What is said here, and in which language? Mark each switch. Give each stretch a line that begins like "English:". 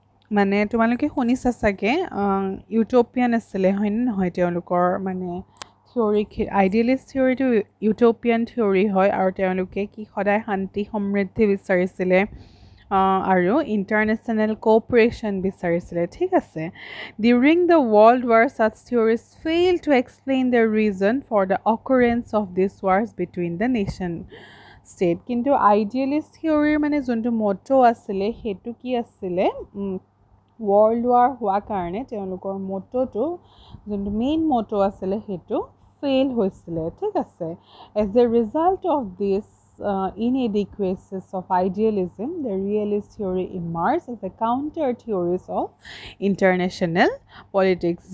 Assamese: মানে তোমালোকে শুনিছা চাগে, ইউটোপিয়ান আছিলে, হয়নে নহয়? তেওঁলোকৰ মানে থিয়ৰি, আইডিয়েলিষ্ট থিয়ৰিটো ইউটোপিয়ান থিয়ৰি হয়, আৰু তেওঁলোকে কি সদায় শান্তি সমৃদ্ধি বিচাৰিছিলে আৰু ইণ্টাৰনেশ্যনেল কোঅপাৰেশ্যন বিচাৰিছিলে। ঠিক আছে,
English: During the world war such theories fail to explain the reason for the occurrence of this wars between the nation state.
Assamese: কিন্তু আইডিয়েলিষ্ট থিয়ৰিৰ মানে যোনটো মটো আছিলে সেইটো কি আছিলে, ৱৰ্ল্ড ৱাৰ হোৱা কাৰণে তেওঁলোকৰ মটোটো, যোনটো মেইন মটো আছিলে সেইটো ফেইল হৈছিলে। ঠিক আছে,
English: As a result of this inadequacies of idealism, the realist theory emerged as a counter theory of international politics.